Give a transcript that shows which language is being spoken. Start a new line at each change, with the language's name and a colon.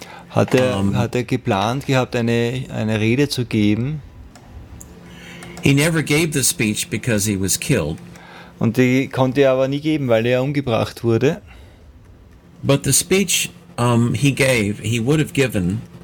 German: Hat er geplant gehabt eine Rede zu geben.
English: He never gave the speech because he was killed.
German: Und die konnte er aber nie geben, weil er umgebracht wurde.
English: But the speech he gave, he would have given.